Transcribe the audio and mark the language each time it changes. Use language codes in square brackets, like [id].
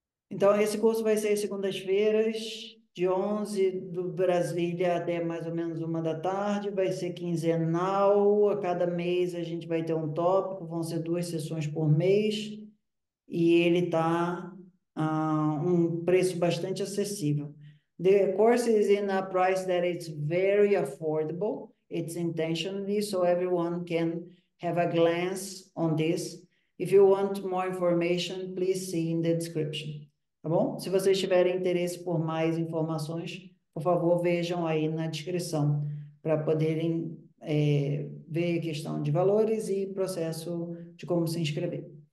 [pt] Então, esse curso vai ser segundas-feiras, de 11 do Brasília até mais ou menos 1 da tarde. Vai ser quinzenal. A cada mês a gente vai ter um tópico. Vão ser 2 sessões por mês. E ele está a um preço bastante acessível. [en] The course is in a price that it's very affordable. It's intentionally so everyone can have a glance on this. If you want more information, please see in the description. [pt] Tá bom? Se vocês tiverem interesse por mais informações, por favor, vejam aí na descrição para poderem ver a questão de valores e processo de como se inscrever.